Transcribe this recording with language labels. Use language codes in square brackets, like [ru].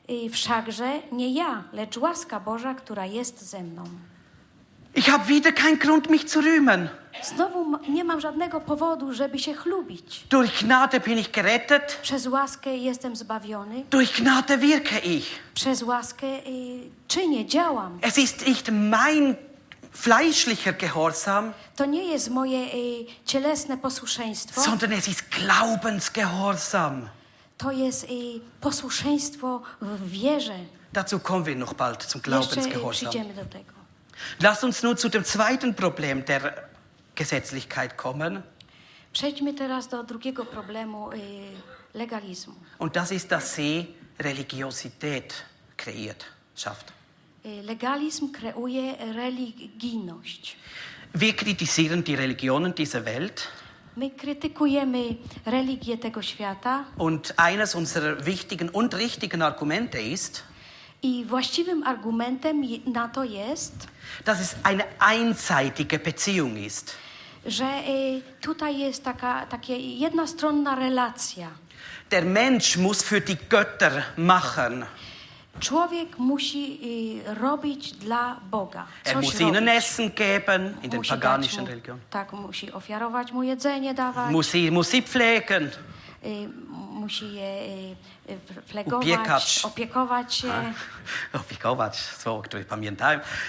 [pl] Wszakże nie ja, lecz łaska Boża, która jest ze mną. [de] Ich habe wieder keinen Grund, mich zu rühmen. [pl] Znowu nie mam żadnego powodu, żeby się chlubić. [de] Durch Gnade bin ich gerettet. [pl] Przez łaskę jestem zbawiony. [de] Durch Gnade wirke ich. [pl] Przez łaskę czynię, działam. [de] Es ist nicht mein fleischlicher Gehorsam. [pl] To nie jest moje cielesne posłuszeństwo. [de] Sondern es ist Glaubensgehorsam. [pl] To jest posłuszeństwo w wierze. [de] Dazu kommen wir noch bald zum Glaubensgehorsam. [pl] Jeszcze przyjdziemy do tego. [de] Lass uns nun zu dem zweiten Problem der Gesetzlichkeit kommen. [pl] Przejdźmy teraz do drugiego problemu legalizmu. [de] Und das ist, dass sie Religiosität kreiert, schafft. [pl] Legalizm kreuje religijność. [de] Wir kritisieren die Religionen dieser Welt. [pl] My krytykujemy religię tego świata. [de] Und eines unserer wichtigen und richtigen Argumente ist, [pl] i właściwym argumentem na to jest, [de] dass es eine einseitige Beziehung ist. [pl] Że tutaj jest taka jednostronna relacja. [de] Der Mensch muss für die Götter machen. [pl] Człowiek musi robić dla Boga. [de] Er muss Ihnen Essen geben in den paganischen Religionen. [pl] Tak, musi ofiarować mu jedzenie dawać. Musi pflegen. Musi je flegować, opiekować się. Opiekować, słowo, które pamiętałem.